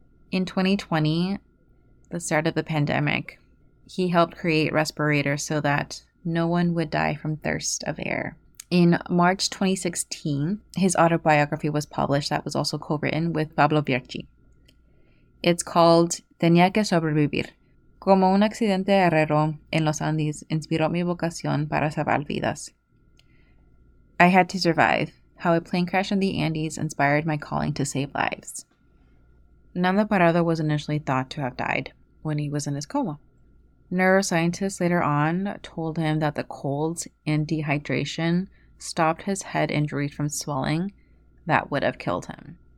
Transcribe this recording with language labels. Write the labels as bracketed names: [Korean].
[English] In 2020, the start of the pandemic, he helped create respirators so that no one would die from thirst of air. In March 2016, his autobiography was published that was also co-written with Pablo Virchi. It's called [Spanish] Tenía que sobrevivir. Como un accidente herrero en los Andes inspiró mi vocación para salvar vidas. [English] I had to survive. How a plane crash in the Andes inspired my calling to save lives. Nando Parado was initially thought to have died when he was in his coma. Neuroscientists later on told him that the colds and dehydration stopped his head injuries from swelling that would have killed him.